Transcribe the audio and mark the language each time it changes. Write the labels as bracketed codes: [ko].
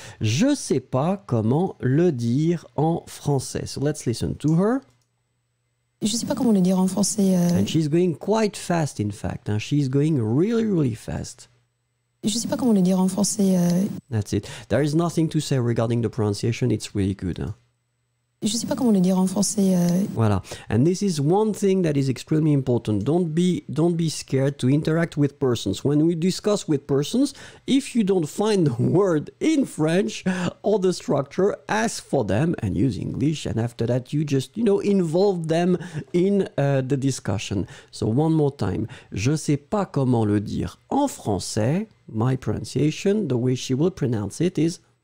[fr] Je sais pas comment le dire en français. [en] So let's listen to her. [fr] Je sais pas comment le dire en français. [en] And she's going quite fast, in fact. She's going really, really fast. [fr] Je sais pas comment le dire en français. [en] That's it. There is nothing to say regarding the pronunciation. It's really good. [fr] Je sais pas comment le dire en français. Voilà. [en] And this is one thing that is extremely important. Don't be scared to interact with persons. When we discuss with persons, if you don't find the word in French or the structure, ask for them and use English. And after that, you just, you know, involve them in the discussion. So one more time. [fr] Je sais pas comment le dire en français. [en] My pronunciation, the way she will pronounce it is...